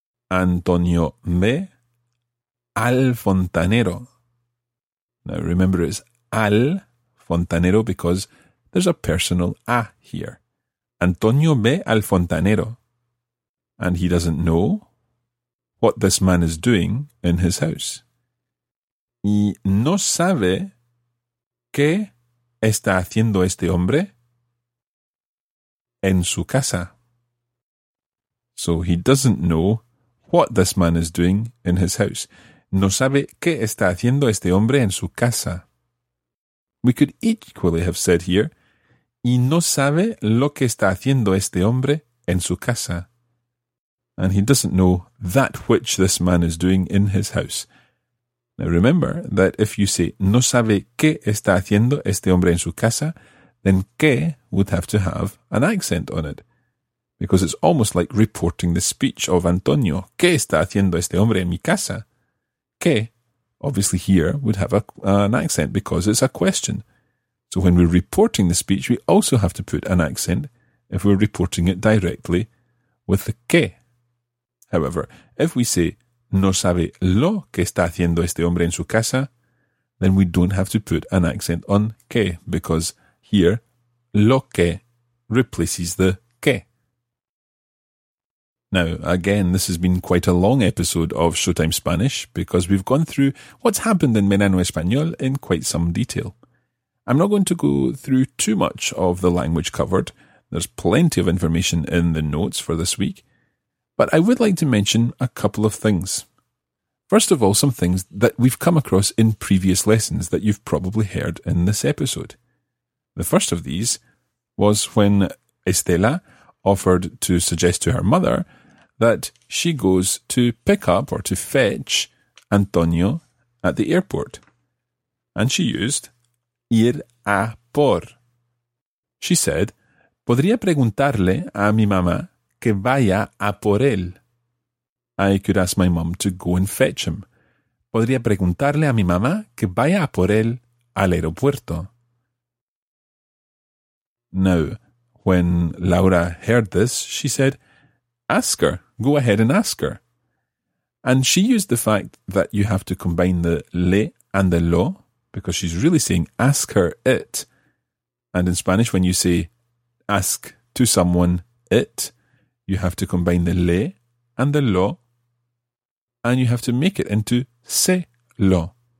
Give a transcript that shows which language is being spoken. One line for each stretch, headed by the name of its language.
Spanish: Antonio ve al fontanero.
English: Now remember, it's
Spanish: al fontanero
English: because there's a personal a here.
Spanish: Antonio ve al fontanero.
English: And he doesn't know what this man is doing in his house.
Spanish: Y no sabe qué está haciendo este hombre en su casa.
English: So he doesn't know what this man is doing in his house.
Spanish: No sabe qué está haciendo este hombre en su casa.
English: We could equally have said here,
Spanish: y no sabe lo que está haciendo este hombre en su casa.
English: And he doesn't know that which this man is doing in his house. Now remember that if you say
Spanish: no sabe qué está haciendo este hombre en su casa,
English: then qué would have to have an accent on it. Because it's almost like reporting the speech of Antonio.
Spanish: ¿Qué está haciendo este hombre en mi casa? ¿Qué?
English: Obviously here would have an accent because it's a question. So when we're reporting the speech, we also have to put an accent if we're reporting it directly with the ¿qué? However, if we say
Spanish: no sabe lo que está haciendo este hombre en su casa,
English: then we don't have to put an accent on ¿qué? Because here, lo que replaces the ¿qué? Now, again, this has been quite a long episode of Showtime Spanish because we've gone through what's happened in Menano Español in quite some detail. I'm not going to go through too much of the language covered. There's plenty of information in the notes for this week. But I would like to mention a couple of things. First of all, some things that we've come across in previous lessons that you've probably heard in this episode. The first of these was when Estela offered to suggest to her mother that she goes to pick up or to fetch Antonio at the airport. And she used
Spanish: ir a por.
English: She said,
Spanish: podría preguntarle a mi mamá que vaya a por él.
English: I could ask my mum to go and fetch him.
Spanish: Podría preguntarle a mi mamá que vaya a por él al aeropuerto.
English: Now, when Laura heard this, she said, ask her, go ahead and ask her. And she used the fact that you have to combine the le and the lo, because she's really saying ask her it. And in Spanish, when you say ask to someone it, you have to combine the le and the lo, and you have to make it into se lo.